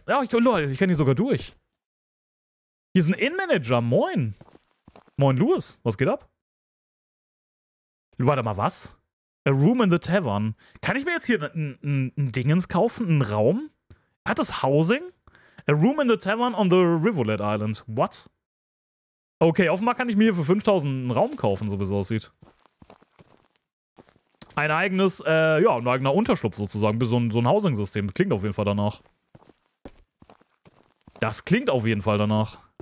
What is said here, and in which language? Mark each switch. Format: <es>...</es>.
<de>Oh, lol, ich kann hier sogar durch. Hier ist ein Innenmanager. Moin. Moin, Louis. Was geht ab? Warte mal, was?</de> <en>A room in the tavern.</en> <de>Kann ich mir jetzt hier ein Dingens kaufen? Ein Raum? Hat das Housing?</de> <en>A room in the tavern on the Rivolet Island. What?</en> <de>Okay, offenbar kann ich mir hier für 5000 einen Raum kaufen, so wie es aussieht. Ein eigenes, ein eigener Unterschlupf sozusagen. So ein Housing-System. Klingt auf jeden Fall danach. Das klingt auf jeden Fall danach.</de>